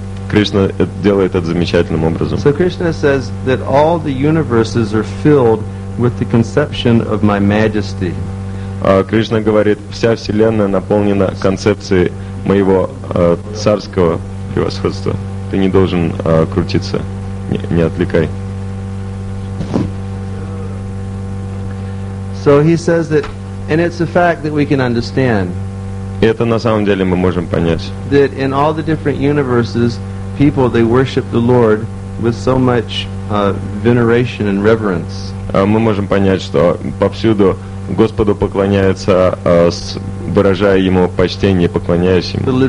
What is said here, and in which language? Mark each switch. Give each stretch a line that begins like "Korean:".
Russian: Кришна делает это замечательным образом.
English: So Krishna says that all the universes are filled with the conception of my majesty.
Russian: Кришна говорит, вся вселенная наполнена концепцией моего царского превосходства. Ты не должен крутиться. Не отвлекай.
English: So he says that, and it's a fact that we can understand.
Russian: И это на самом деле мы можем понять.
English: That in all the different universes, people, they worship the Lord with so much veneration and reverence.
Russian: Мы можем понять, что повсюду Господу поклоняются, выражая Ему почтение, поклоняясь Ему.